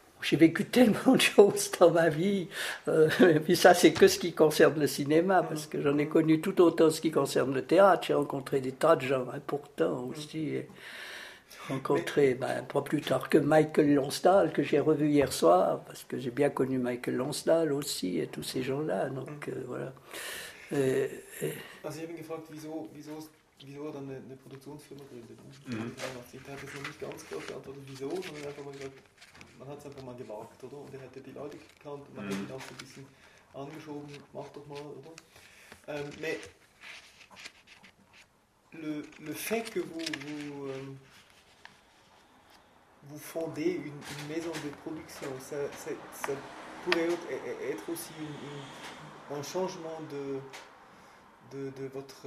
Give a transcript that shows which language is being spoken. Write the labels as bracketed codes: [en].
[fr] J'ai vécu tellement de choses dans ma vie. Et puis ça, c'est que ce qui concerne le cinéma, parce que j'en ai connu tout autant ce qui concerne le théâtre. J'ai rencontré des tas de gens importants aussi. J'ai rencontré, pas plus tard que Michael Lonsdale, que j'ai revu hier soir, parce que j'ai bien connu Michael Lonsdale aussi, et tous ces gens-là. Donc, voilà. [de] Also, ich habe mich gefragt, wieso dann eine Produktionsfirma gründet. Ich habe das noch nicht ganz klar geantwortet, wieso, sondern einfach mal gesagt, man hat es einfach mal gewagt, oder? Und er hätte die Leute gekannt und man hätte ihn auch so ein bisschen angeschoben, mach doch mal, oder? [fr] Mais le fait que vous fondez une maison de production, ça pourrait être aussi un changement de votre...